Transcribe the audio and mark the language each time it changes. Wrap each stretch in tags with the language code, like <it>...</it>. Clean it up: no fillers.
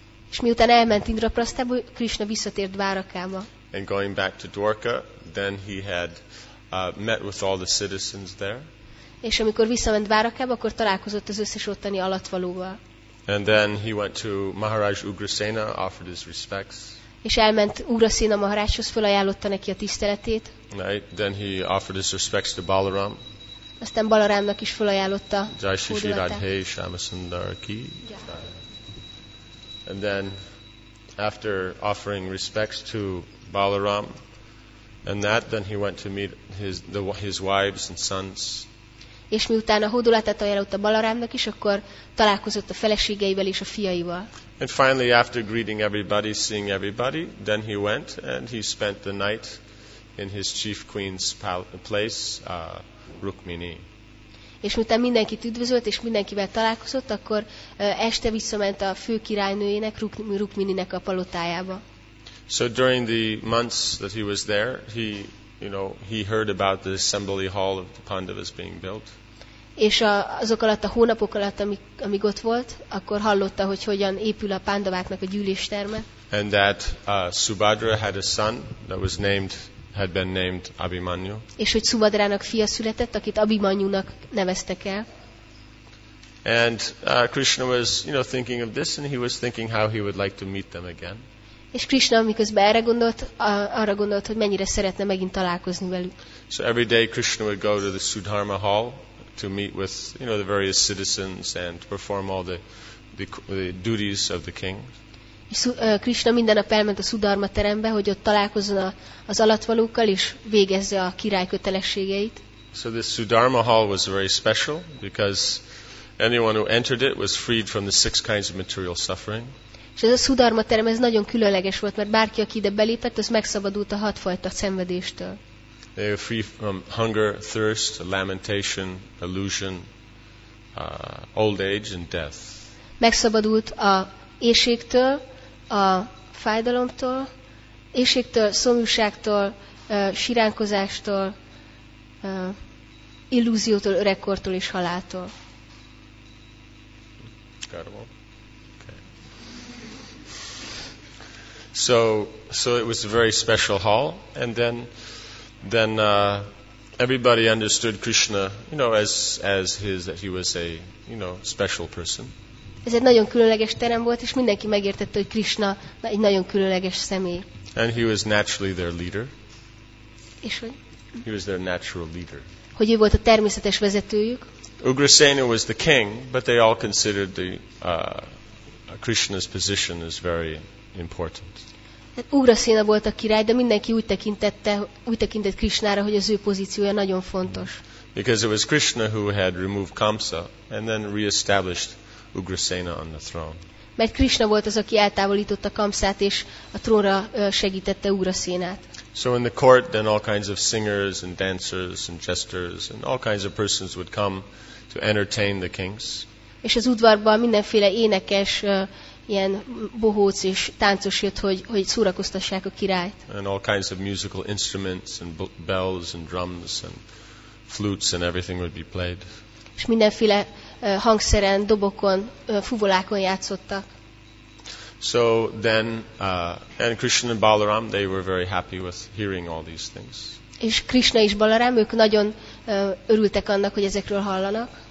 <hu>És miután elment Indraprasthába, Krishna visszatért Dvárakába.</hu> <en>And going back to Dwarka, then he had met with all the citizens there.</en> <hu>És amikor visszament Dvárakába, akkor találkozott az összes ottani alattvalóval.</hu> <en>And then he went to Maharaj Ugrasena, offered his respects.</en> <hu>És elment Ugrasena Maharajhoz, felajánlotta neki a tiszteletét.</hu> <en>Right. Then he offered his respects to Balaram.</en> <hu>Aztán Balarámnak is felajánlotta.</hu> <hi>Jai Shri Radhe Shyamasundara ki.</hi> <en>And then after offering respects to Balaram and that, then he went to meet his wives and sons.</en> <hu>És miután a hódolatát ajánlotta Balarámnak is, akkor találkozott a feleségeivel és a fiaival.</hu> <en>And finally, after greeting everybody, seeing everybody, then he went and he spent the night in his chief queen's place, Rukmini.</en> <hu>És miután mindenkit üdvözölt és mindenkivel találkozott, akkor este visszament a fő királynőjének, Rukmininek a palotájába.</hu> <en>So during the months that he was there, he, you know, he heard about the assembly hall of the Pandavas being built.</en> <hu>És azok alatt a hónapok alatt, amíg ott volt, akkor hallotta, hogy hogyan épül a Pandaváknak a gyűlésterme.</hu> <en>And that Subhadra had a son that was named, had been named Abhimanyu.</en> <hu>És hogy Subhadrának fia született, akit Abhimanyunak neveztek el.</hu> <en>And Krishna was, you know, thinking of this, and he was thinking how he would like to meet them again.</en> <hu>És Krishna, miközben erre gondolt, arra gondolt, hogy mennyire szeretne megint találkozni velük.</hu> <en>So every day Krishna would go to the Sudharma hall to meet with, you know, the various citizens and perform all the duties of the king.</en> <hu>Krishna minden nap elment a Sudharma terembe, hogy ott találkozzon az alattvalókkal és végezze a király kötelességeit.</hu> <en>So this Sudharma hall was very special because anyone who entered it was freed from the six kinds of material suffering.</en> <hu>És ez a Sudharma terem, ez nagyon különleges volt, mert bárki, aki ide belépett, az megszabadult a hatfajta szenvedéstől.</hu> <en>They were free from hunger, thirst, lamentation, illusion, old age and death.</en> <hu>Megszabadult a éhségtől, a fájdalomtól, éhségtől, szomjúságtól, siránkozástól, illúziótól, öregkortól és haláltól.</hu> <en>So it was a very special hall, and then everybody understood Krishna, you know, as his, that he was a, you know, special person.</en> <hu>Ez egy nagyon különleges terem volt, és mindenki megértette, hogy Krishna egy nagyon különleges személy.</hu> <en>And he was naturally their leader.</en> <hu>És hogy?</hu> <en>He was their natural leader.</en> <hu>Hogy ő volt a természetes vezetőjük?</hu> <en>Ugrasena was the king, but they all considered the Krishna's position as very important.</en> <hu>Ugrasena volt a király, de mindenki úgy tekintett Krishnára, hogy az ő pozíciója nagyon fontos.</hu> <en>Because it was Krishna who had removed Kamsa and then reestablished Ugrasena on the throne.</en> <hu>Mert Krishna volt az, aki eltávolította Kamsát és a trónra segítette Ugrasenát.</hu> <en>So in the court then all kinds of singers and dancers and jesters and all kinds of persons would come to entertain the kings.</en> <hu>És az udvarban mindenféle énekes ilyen bohóc és táncos jött, hogy szórakoztassák a királyt.</hu> <en>And all kinds of musical instruments and bells and drums and flutes and everything would be played.</en> <hu>És mindenféle hangszeren, dobokon, fuvolákon játszottak.</hu> <en>So then and Krishna and Balaram, they were very happy with hearing all these things.</en> <hu>És Krishna és Balaram, ők nagyon örültek annak, hogy ezekről hallanak.</hu>